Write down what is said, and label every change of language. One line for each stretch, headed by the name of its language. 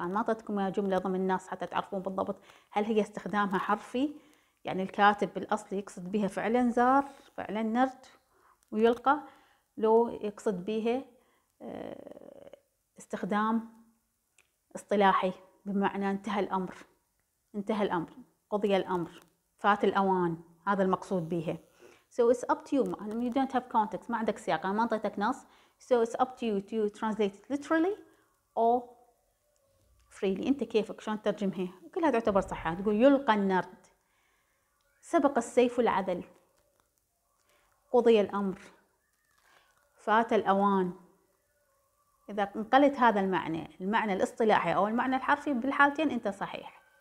Arabic: ما عطتكم جملة ضمن الناس حتى تعرفون بالضبط هل هي استخدامها حرفي، يعني الكاتب بالأصل يقصد بها فعلا زار، فعلا نرد ويلقى، لو يقصد بيها استخدام اصطلاحي بمعنى انتهى الأمر، انتهى الأمر، قضي الأمر، فات الأوان، هذا المقصود بيها.
English: So it's up to you. You don't have context.
Arabic: ما عندك سياق. ما أعطيتك نص.
English: So it's up to you to translate it literally or freely.
Arabic: أنت كيفك شلون ترجمها. كلها تعتبر صحة. تقول يلقى النرد، سبق السيف العذل، قضي الأمر، فات الأوان. إذا انقلت هذا المعنى، المعنى الاصطلاحي أو المعنى الحرفي بالحالتين أنت صحيح.